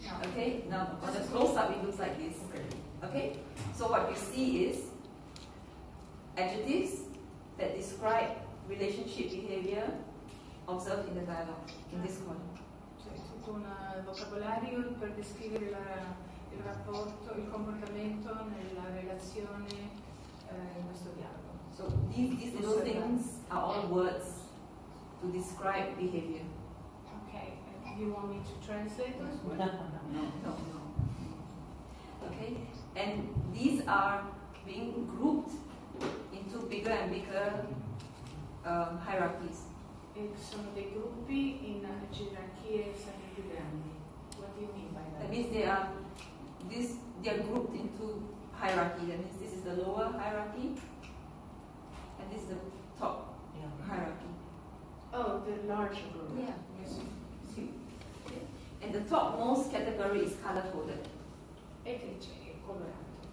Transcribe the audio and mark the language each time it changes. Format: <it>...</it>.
<en>Okay, now on the close-up it looks like this. Okay? So what you see is adjectives that describe relationship behavior observed in the dialogue, in this corner.</en> <it>Cioè, tutto un vocabolario per descrivere la... il rapporto, il comportamento nella relazione in questo dialogo.</it> <en>So these little things are all words to describe behavior. Okay, you want me to translate those words? No. Okay, and these are being grouped into bigger and bigger hierarchies.</en> <it>E sono dei gruppi in gerarchie sempre più grandi.</it> <en>What do you mean by that? That means they are grouped into hierarchy. That means this is the lower hierarchy, and this is the top hierarchy. Oh, the larger group. Yeah. Yes. Sì. Okay. And the topmost category is color coded.</en> <it>E che c'è? È colorato.</it>